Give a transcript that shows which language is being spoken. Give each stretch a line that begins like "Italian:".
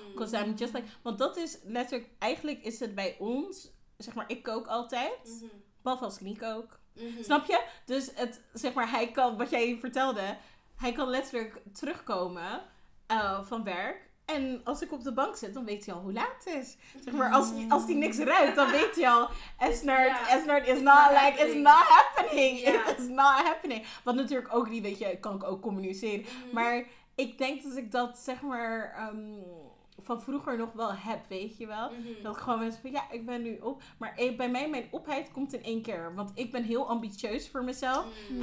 Dutch: Because I'm just like, want dat is letterlijk, eigenlijk is het bij ons, zeg maar, ik kook altijd. Mm-hmm. Behalve als ik niet kook. Mm-hmm. Snap je? Dus het, zeg maar, hij kan, wat jij vertelde, hij kan letterlijk terugkomen van werk. En als ik op de bank zit, dan weet hij al hoe laat het is. Zeg maar, als die niks ruikt, dan weet hij al.
English: Esnert is not like, it's not happening. Yeah. It's not happening.
Dutch: Wat natuurlijk ook niet, weet je, kan ik ook communiceren. Mm-hmm. Maar ik denk dat ik dat, zeg maar, van vroeger nog wel heb, weet je wel. Mm-hmm. Dat ik gewoon ben van, ja, ik ben nu op. Maar bij mij, mijn opheid komt in één keer. Want ik ben heel ambitieus voor mezelf. Mm-hmm.